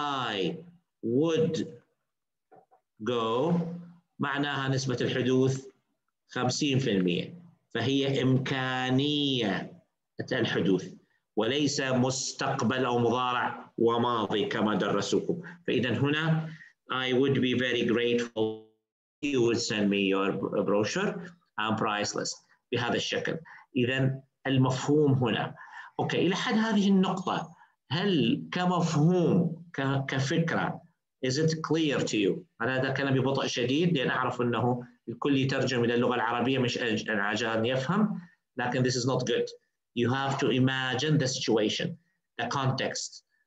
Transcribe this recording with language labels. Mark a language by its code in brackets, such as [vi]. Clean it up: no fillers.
[en] I would go, [ar] معناها نسبة الحدوث 50%. فهي إمكانية الحدوث وليس مستقبل أو مضارع وماضي كما درسوكم. فإذا هنا [en] I would be very grateful if you would send me your brochure. I'm priceless. [ar] بهذا الشكل. إذا المفهوم هنا. أوكي, إلى حد هذه النقطة هل كمفهوم كفكرة [en] is it clear to you؟ [ar] أنا هذا كان ببطء شديد لأن أعرف أنه الكل يترجم إلى اللغة العربية مش أن يفهم, لكن [en] this is not good. You have to imagine the situation, the context.